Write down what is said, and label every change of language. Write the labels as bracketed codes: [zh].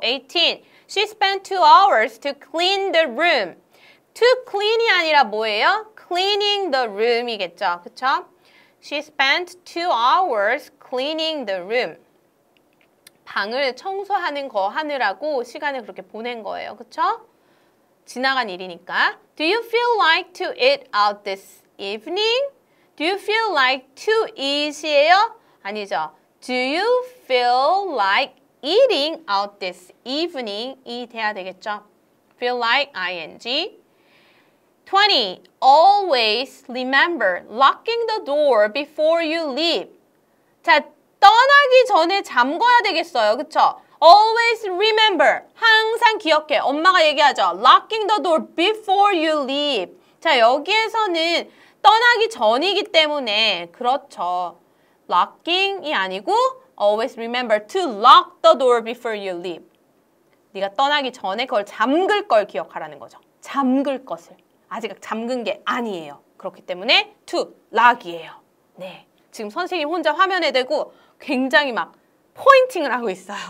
[en] 18. She spent 2 hours to clean the room. To clean [ko] 이 아니라 뭐예요? [en] Cleaning the room [ko] 이겠죠. 그쵸? [en] She spent 2 hours cleaning the room. [ko] 방을 청소하는 거 하느라고 시간을 그렇게 보낸 거예요. 그쵸? 지나간 일이니까. [en] Do you feel like to eat out this evening? Do you feel like to eat이에요? [ko] 아니죠. [en] Do you feel like eating out this evening이 돼야 되겠죠? Feel like ing. 20. Always remember locking the door before you leave. [ko] 자, 떠나기 전에 잠궈야 되겠어요. 그쵸? [en] Always remember. [ko] 항상 기억해. 엄마가 얘기하죠. [en] Locking the door before you leave. [ko] 자, 여기에서는 떠나기 전이기 때문에 그렇죠. [en] Locking이 [ko] 아니고 [en] always remember to lock the door before you leave. [ko] 네가 떠나기 전에 그걸 잠글 걸 기억하라는 거죠. 잠글 것을. 아직 잠근 게 아니에요. 그렇기 때문에 to lock이에요. 네, 지금 선생님 혼자 화면에 대고 굉장히 막 포인팅을 하고 있어요.